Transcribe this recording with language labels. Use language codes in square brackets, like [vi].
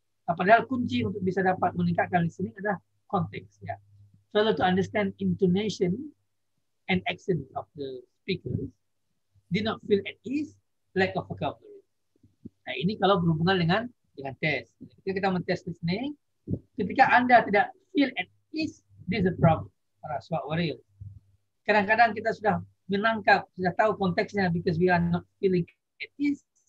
[id] Padahal kunci untuk bisa dapat meningkatkan listening adalah konteks. Ya. [en] Failure to understand intonation and accent of the speakers. Did not feel at ease, lack of vocabulary. [id] Nah, ini kalau berhubungan dengan tes. Ketika kita mentes listening, ketika Anda tidak feel at ease, [en] this is a problem. [id] Para swat waril. Kadang-kadang kita sudah menangkap, sudah tahu konteksnya [en] because we are not feeling at ease.